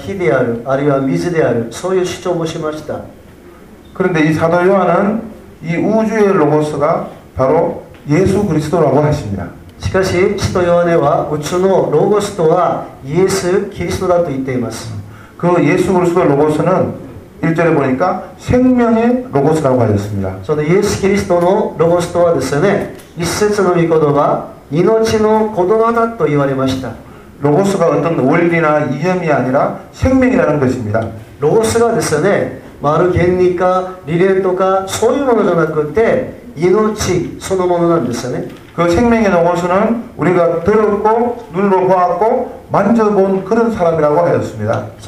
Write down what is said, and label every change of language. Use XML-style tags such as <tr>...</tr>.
<ja>ある哲学者たちはですね、宇宙のロゴスというものがそれが火である、あるいは水である、そういう主張もしました。</ja> <ko>그런데 이 사도 요한은 이 우주의 로고스가 바로 예수 그리스도라고 하십니다.</ko> <ja>しかし使徒ヨハネは宇宙のロゴスとはイエス・キリストだと言っています。</ja> <ko>그 예수 그리스도 로고스는 1절에 보니까 생명의 로고스라고 하셨습니다. 저는 예수 그리스도의 로고스</ko> <ja>とはですね、一節の御言葉、命の言葉だと言われました。</ja> <ko>로고스가 어떤 원리나 이념이 아니라 생명이라는 것입니다. 로고스가</ko> <ja>ですね、まる原理か理念とかそういうものじゃなくて、命そのものなんですよね。</ja> <ko>그 생명의 로고스는 우리가 들었고 눈으로 보았고 만져본 그런 사람이라고 하였습니다.</ko>